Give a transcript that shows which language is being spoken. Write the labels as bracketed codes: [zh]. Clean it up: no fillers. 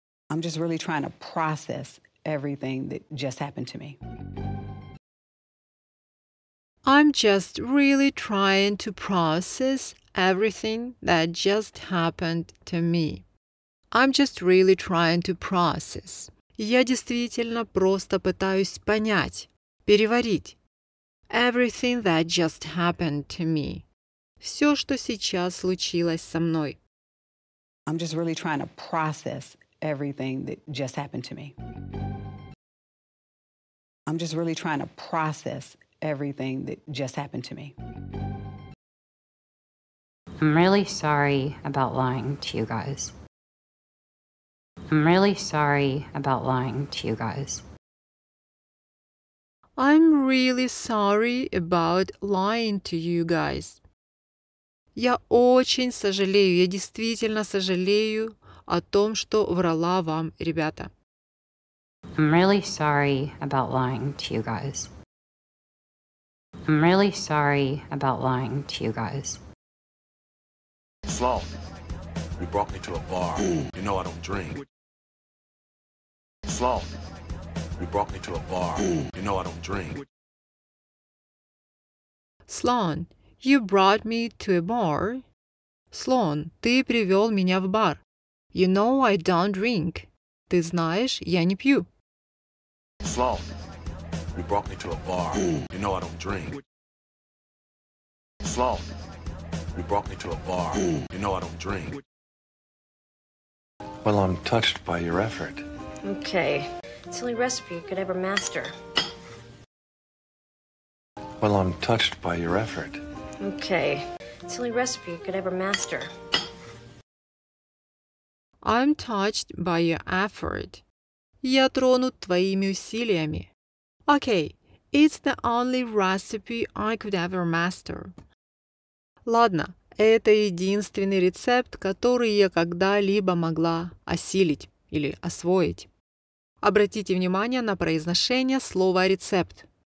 [en] I'm just really trying to process everything that just happened to me. I'm just really trying to process everything that just happened to me. I'm just really trying to process. [ru] Я действительно просто пытаюсь понять, переварить. [en] Everything that just happened to me. [ru] Все, что сейчас случилось со мной. [en] I'm just really trying to process everything that just happened to me. I'm just really trying to process everything that just happened to me. I'm really sorry about lying to you guys. I'm really sorry about lying to you guys. I'm really sorry about lying to you guys. [ru] Я очень сожалею, я действительно сожалею о том, что врала вам, ребята. [en] I'm really sorry about lying to you guys. I'm really sorry about lying to you guys. Sloan, you brought me to a bar. You know I don't drink. Sloan, you brought me to a bar. You know I don't drink. Sloan, you brought me to a bar. Sloan, [ru] ты привел меня в бар. [en] You know I don't drink. [ru] Ты знаешь, я не пью. [en] Sloan, you brought me to a bar. You know I don't drink. Sloan, you brought me to a bar. You know I don't drink. Well, I'm touched by your effort. Okay. It's the only recipe you could ever master. Well, I'm touched by your effort. Okay. It's the only recipe you could ever master. I'm touched by your effort. [ru] Я тронут твоими усилиями. [en] Okay. It's the only recipe I could ever master. [ru] Ладно, это единственный рецепт, который я когда-либо могла осилить или освоить. Обратите внимание на произношение слова «рецепт».